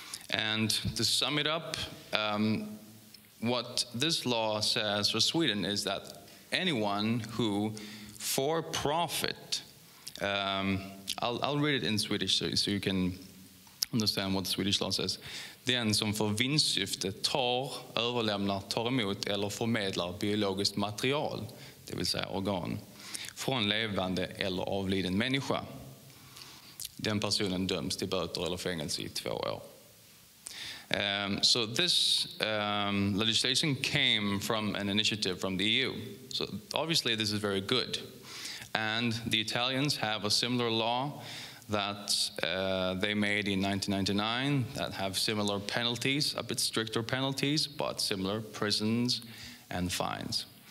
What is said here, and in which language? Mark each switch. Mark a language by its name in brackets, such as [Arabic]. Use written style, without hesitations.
[English] And to sum it up, what this law says for Sweden is that anyone who, for profit, I'll read it in Swedish so you can understand what the Swedish law says. [Swedish] Den som för vinstsyfte tar, överlämnar, tar emot eller förmedlar biologiskt material, det vill säga organ, från levande eller avliden människa, den personen döms till böter eller fängelse i 2 år. [English] So this legislation came from an initiative from the EU. So obviously this is very good. And the Italians have a similar law that they made in 1999 that have similar penalties, a bit stricter penalties, but similar prisons and fines.